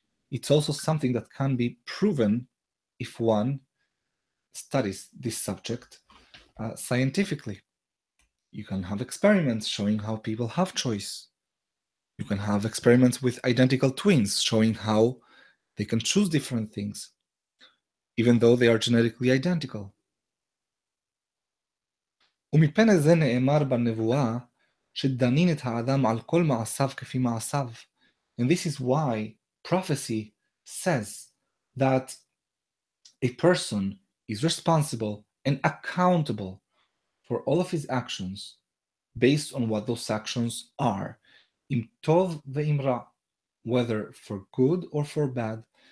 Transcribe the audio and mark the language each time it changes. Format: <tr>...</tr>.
<en>It's also something that can be proven if one studies this subject scientifically. You can have experiments showing how people have choice. You can have experiments with identical twins showing how they can choose different things, even though they are genetically identical.</en> <he>ומפני זה נאמר בנבואה, שדנין את האדם על כל מעשיו כפי מעשיו.</he> <en>And this is why prophecy says that a person is responsible and accountable for all of his actions based on what those actions are.</en> <he>Im tov ve'im ra,</he> <en>whether for good or for bad,</en>